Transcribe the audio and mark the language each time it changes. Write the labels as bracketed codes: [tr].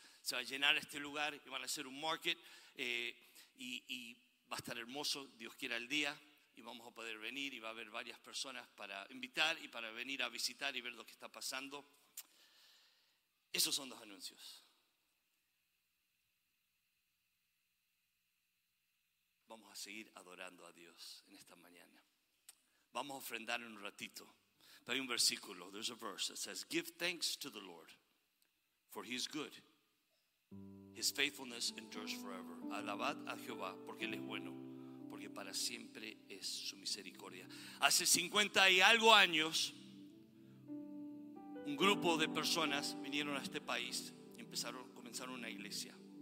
[es] Se va a llenar este lugar y van a hacer un market, y va a estar hermoso, Dios quiera el día, y vamos a poder venir y va a haber varias personas para invitar y para venir a visitar y ver lo que está pasando. Esos son dos anuncios. Vamos a seguir adorando a Dios en esta mañana. Vamos a ofrendar en un ratito. Pero hay un versículo, [en] there's a verse that says, "Give thanks to the Lord, for he is good. His faithfulness endures forever." [es] Alabad a Jehová porque Él es bueno. porque para siempre es su misericordia. Hace 50 y algo años, un grupo de personas vinieron a este país, comenzaron una iglesia.